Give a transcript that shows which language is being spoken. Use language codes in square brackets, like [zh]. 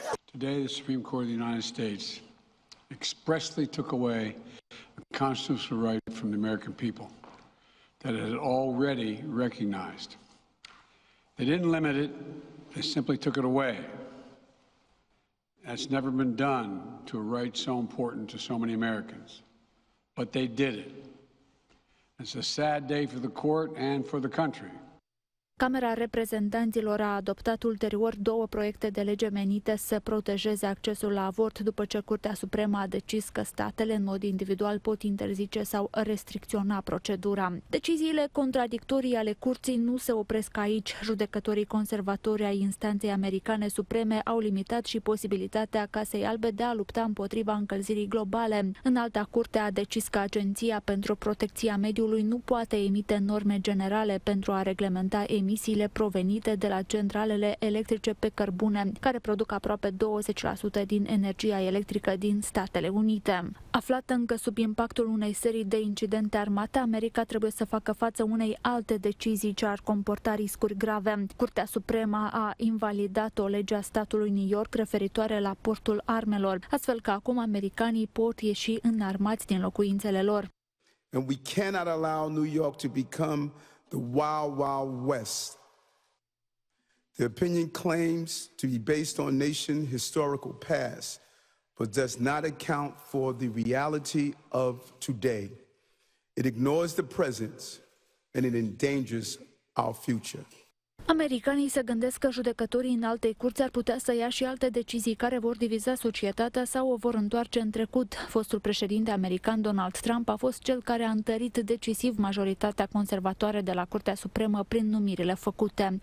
[en] Today, the Supreme Court of the United States expressly took away a constitutional right from the American people that it had already recognized. They didn't limit it, they simply took it away. That's never been done to a right so important to so many Americans. But they did it. It's a sad day for the court and for the country. [ro] Camera reprezentanților a adoptat ulterior 2 proiecte de lege menite să protejeze accesul la avort după ce Curtea Supremă a decis că statele în mod individual pot interzice sau restricționa procedura. Deciziile contradictorii ale curții nu se opresc aici. Judecătorii conservatori ai instanței americane supreme au limitat și posibilitatea Casei Albe de a lupta împotriva încălzirii globale. În alta curte a decis că Agenția pentru Protecția Mediului nu poate emite norme generale pentru a reglementa emisiile provenite de la centralele electrice pe cărbune, care produc aproape 20% din energia electrică din Statele Unite. Aflată încă sub impactul unei serii de incidente armate, America trebuie să facă față unei alte decizii ce ar comporta riscuri grave. Curtea Supremă a invalidat o lege a statului New York referitoare la portul armelor, astfel că acum americanii pot ieși înarmați din locuințele lor. [en] And we cannot allow New York to become the wild, wild west. The opinion claims to be based on nation historical past, but does not account for the reality of today. It ignores the present and it endangers our future. [ro] Americanii se gândesc că judecătorii în alte curți ar putea să ia și alte decizii care vor diviza societatea sau o vor întoarce în trecut. Fostul președinte american Donald Trump a fost cel care a întărit decisiv majoritatea conservatoare de la Curtea Supremă prin numirile făcute.